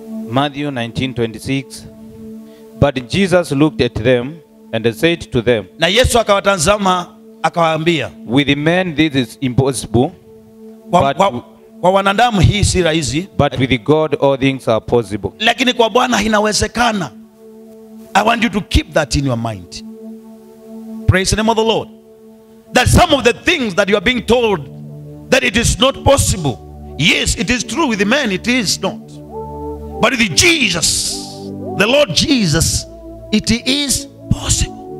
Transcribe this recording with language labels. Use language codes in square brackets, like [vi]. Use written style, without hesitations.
[en] Matthew 19:26. But Jesus looked at them and said to them. [sw] Na Yesu akawatazama akawaambia, [en] with the man this is impossible. [sw] Kwa wanadamu hii si rahisi, [en] but with God all things are possible. [sw] Lakini kwa Bwana inawezekana. [en] I want you to keep that in your mind. Praise the name of the Lord. That some of the things that you are being told that it is not possible. Yes, it is true with the man, it is not. But with Jesus, the Lord Jesus, it is possible.